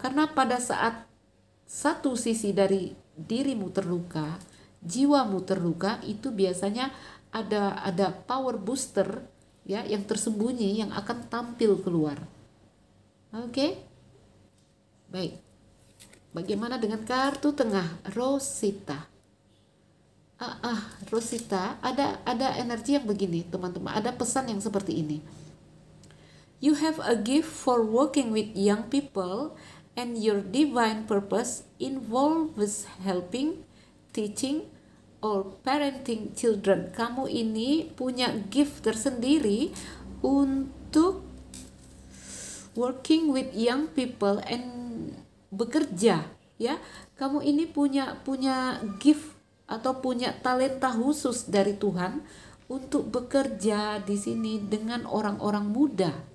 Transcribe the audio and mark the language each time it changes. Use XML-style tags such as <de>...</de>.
<id>Karena pada saat satu sisi dari dirimu terluka, jiwamu terluka, itu biasanya ada power booster, ya, yang tersembunyi yang akan tampil keluar. Oke. Baik. Bagaimana dengan kartu tengah, Rosita? Rosita, ada energi yang begini, teman-teman. Ada pesan yang seperti ini.</id> <en>You have a gift for working with young people and your divine purpose involves helping, teaching or parenting children.</en> <id>Kamu ini punya gift tersendiri untuk</id> <en>working with young people and</en> <id>bekerja, ya. Kamu ini punya punya gift atau punya talenta khusus dari Tuhan untuk bekerja di sini dengan orang-orang muda.</id>